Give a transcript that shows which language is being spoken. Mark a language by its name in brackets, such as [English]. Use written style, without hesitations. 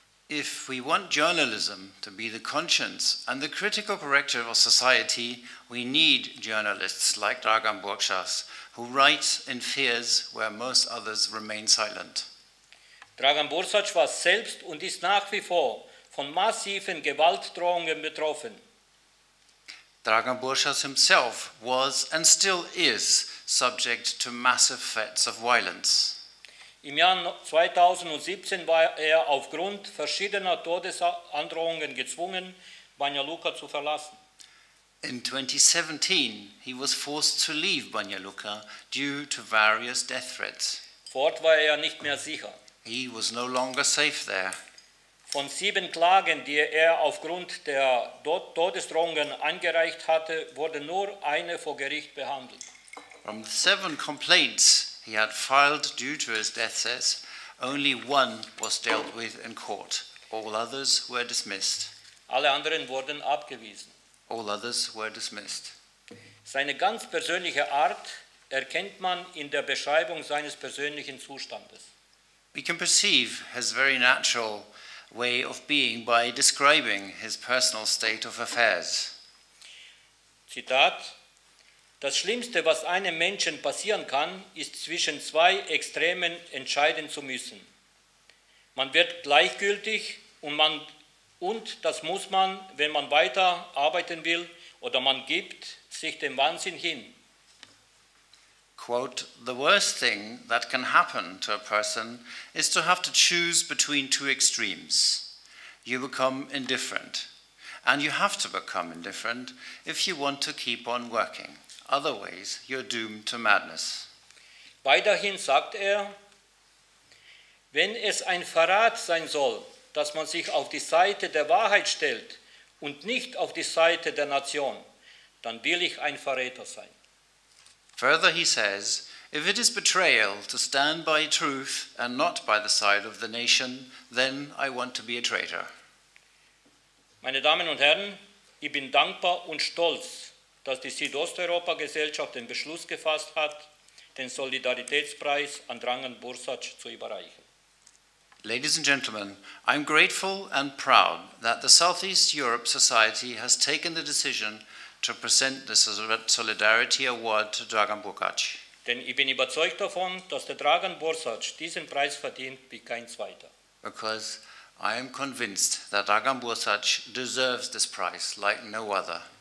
[English] If we want journalism to be the conscience and the critical corrector of society, we need journalists like Dragan Bursac, who writes in fears where most others remain silent. [German] Dragan Bursac war selbst und ist nach wie vor von massiven Gewaltdrohungen betroffen. [English] Dragan Bursac himself was and still is subject to massive threats of violence. [German] Im Jahr 2017 war er aufgrund verschiedener Todesandrohungen gezwungen, Banja Luka zu verlassen. [English] In 2017 he was forced to leave Banja Luka due to various death threats. [German] Fort war er nicht mehr sicher. [English] He was no longer safe there. [German] Von 7 Klagen, die er aufgrund der Todesdrohungen eingereicht hatte, wurde nur eine vor Gericht behandelt. [English] From the 7 complaints he had filed due to his death threats, only one was dealt with in court. All others were dismissed. [German] Alle anderen wurden abgewiesen. [English] All others were dismissed. [German] Seine ganz persönliche Art erkennt man in der Beschreibung seines persönlichen Zustandes. [English] We can perceive his very natural way of being by describing his personal state of affairs. [German] Zitat: Das Schlimmste, was einem Menschen passieren kann, ist zwischen zwei Extremen entscheiden zu müssen. Man wird gleichgültig und das muss man, wenn man weiter arbeiten will, oder man gibt sich dem Wahnsinn hin. [English] quote, the worst thing that can happen to a person is to have to choose between two extremes. You become indifferent, and you have to become indifferent if you want to keep on working. Otherwise, you're doomed to madness. [German] Weiterhin sagt er, wenn es ein Verrat sein soll, dass man sich auf die Seite der Wahrheit stellt und nicht auf die Seite der Nation, dann will ich ein Verräter sein. [English] Further he says, if it is betrayal to stand by truth and not by the side of the nation, then I want to be a traitor. [German] Meine Damen und Herren, ich bin dankbar und stolz, dass die Südosteuropa-Gesellschaft den Beschluss gefasst hat, den Solidaritätspreis an Dragan Bursać zu überreichen. [English] Ladies and gentlemen, I'm grateful and proud that the Southeast Europe Society has taken the decision to present this Solidarity Award to Dragan Bursać. [German] Denn ich bin überzeugt davon, dass der Dragan Bursać diesen Preis verdient wie kein zweiter. [English] Because I am convinced that Dragan Bursać deserves this prize like no other.